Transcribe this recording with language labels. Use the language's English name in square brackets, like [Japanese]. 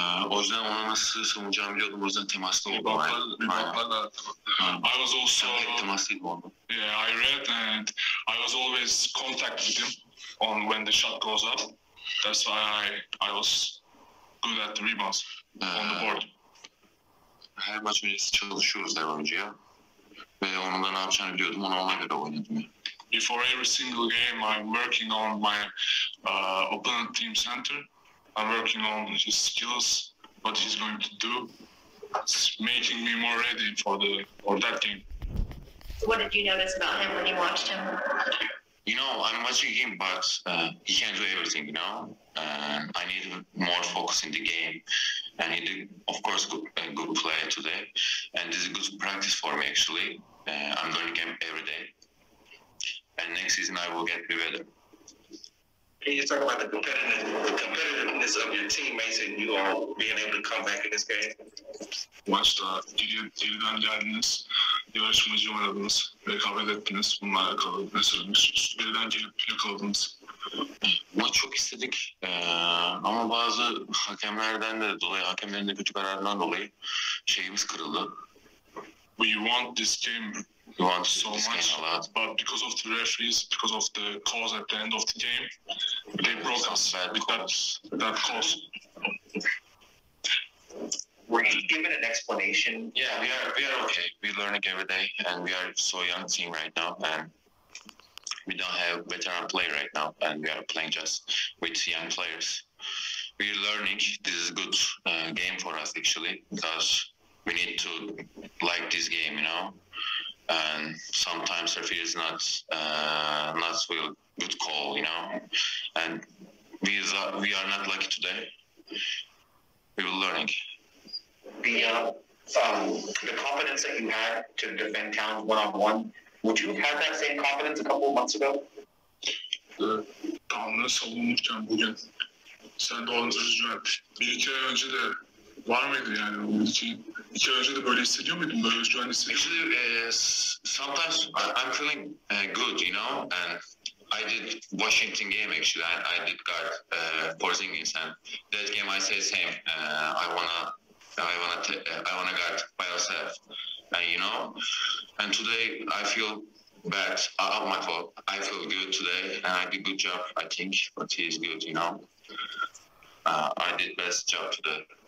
[Turkish] O yüzden ona nasıl savunacağımı biliyordum. O yüzden temaslı oldum. [English] I was also [Turkish] temaslıydı onu. [English] Yeah, I read and I was always contact with him on when the shot goes up. That's why I was good at the rebounds on the board. [Turkish] Her maç öncesi çalışıyoruz her oyuncuya. Ve onun da ne yapacağını biliyordum. Onu ona göre oynadım. [English] Before every single game, I'm working on my opponent team center. I'm working on his skills, what he's going to do. It's making me more ready for that game. What did you notice about him when you watched him? You know, I'm watching him, but he can't do everything, you know? I need more focus in the game. And he did, of course, good play today. And this is a good practice for me, actually. I'm going to game every day. And next season, I will get better. Can you talk about the competitiveness of your teammates and you all being able to come back in this game? [Turkish] Maçta geriden geldiniz, yarışmacı oynadınız, rekabet ettiniz, bunlar alakalı ne söylemiş, geriden gelip yakaladınız. Maç çok istedik ama bazı hakemlerden de dolayı, hakemlerin de kötü kararından dolayı şeyimiz kırıldı. [English] We want this game. You want so much, but because of the referees, because of the calls at the end of the game, they broke us with that calls. Were you given an explanation? Yeah, we are okay. We're learning every day, and we are so young team right now, and we don't have veteran play right now, and we are playing just with young players. We're learning. This is a good game for us, actually, because we need to like this game, you know? And sometimes referee is not real good call, you know. And we are not lucky today. We were learning. The confidence that you had to defend Towns one-on-one, would you have that same confidence a couple of months ago? [Turkish] Towns'ı savunmuşken bugün sen de onu düzgün. Bir iki ay önce de var mıydı yani onun için? [English] Actually, sometimes I'm feeling good, you know, and I did Washington game, actually, and I did guard Porzingis, and that game I say same, I wanna guard by myself, and you know, and today I feel bad, my fault, I feel good today, and I did good job, I think, but he is good, you know, I did best job today.